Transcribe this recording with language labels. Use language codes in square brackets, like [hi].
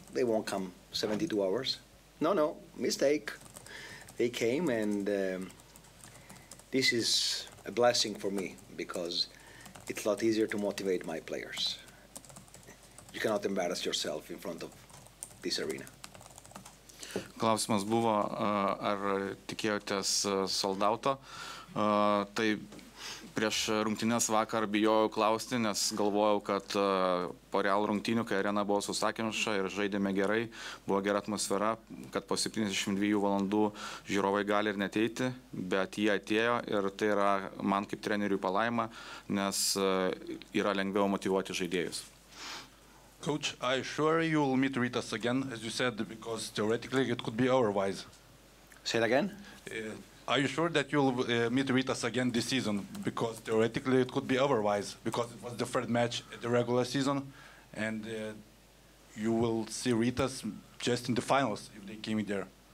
[en] They won't come 72 hours. No, mistake. They came, and this is a blessing for me, because it's a lot easier to motivate my players. You cannot embarrass yourself in front of this arena. [lt] Klausimas buvo, ar tikėjotės soldauto. Tai prieš rungtynės vakar bijojau klausti, nes galvojau, kad po Real rungtynių, kai arena buvo susakymša ir žaidėme gerai, buvo gera atmosfera, kad po 72 valandų žiūrovai gali ir neteiti, bet jie atėjo ir tai yra man kaip treneriui palaima, nes yra lengviau motyvuoti žaidėjus. [en] Coach, I assure you will meet Rytas again, as you said, because theoretically it could be otherwise. Say it again? Are you sure that you'll meet Rytas again this season, because theoretically it could be otherwise, because it was the third match at the regular season, and you will see Rytas just in the finals if they came in there?